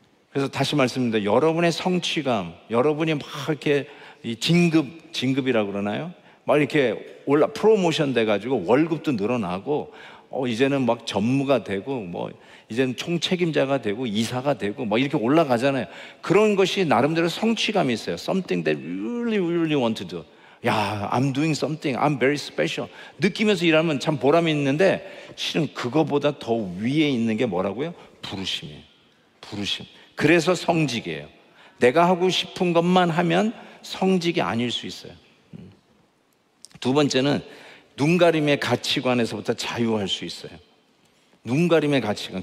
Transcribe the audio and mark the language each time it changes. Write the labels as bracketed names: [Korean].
[Korean] 그래서 다시 말씀드립니다. 여러분의 성취감, 여러분이 막 이렇게 진급이라고 그러나요? 막 이렇게 올라 프로모션 돼가지고 월급도 늘어나고 이제는 막 전무가 되고 뭐 이제는 총책임자가 되고 이사가 되고 막 이렇게 올라가잖아요. 그런 것이 나름대로 성취감이 있어요. [English] Something that really really want to do. 야, I'm doing something. I'm very special. [Korean] 느끼면서 일하면 참 보람이 있는데 실은 그거보다 더 위에 있는 게 뭐라고요? 부르심이에요. 부르심. 그래서 성직이에요. 내가 하고 싶은 것만 하면 성직이 아닐 수 있어요. 두 번째는 눈가림의 가치관에서부터 자유할 수 있어요. 눈가림의 가치관.